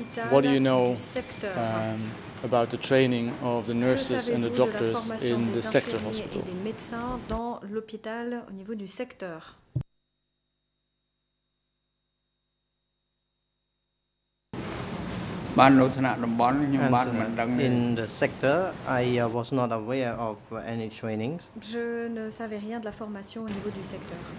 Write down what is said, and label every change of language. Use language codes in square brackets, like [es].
[en] What do you know about the training of the nurses and the doctors in the sector hospital? [fr] Des médecins dans l'hôpital au niveau du secteur. [en] In the sector, I was not aware of any trainings. [fr] Je ne savais rien de la formation au niveau du secteur.